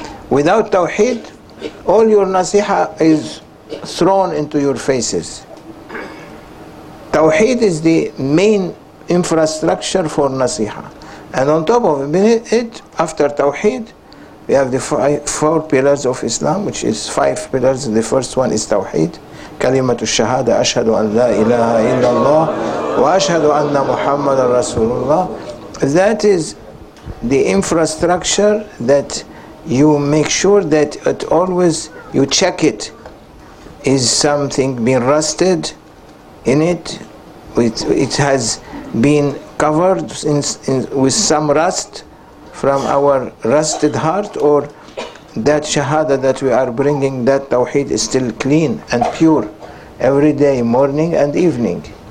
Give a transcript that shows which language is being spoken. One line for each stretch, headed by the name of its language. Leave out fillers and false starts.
English: Without tawheed, all your nasiha is thrown into your faces. Tawheed is the main infrastructure for nasiha. And on top of it, after tawheed, we have the four pillars of Islam, which is five pillars. The first one is tawheed.
Arabic: كلمة الشهادة أشهد أن لا إله إلا الله وأشهد أن محمد رسول الله.
English: That is the infrastructure that you make sure that it always, you check it. Is something been rusted in it? It has been covered with some rust from our rusted heart, or that shahada that we are bringing, that tawheed is still clean and pure every day, morning and evening.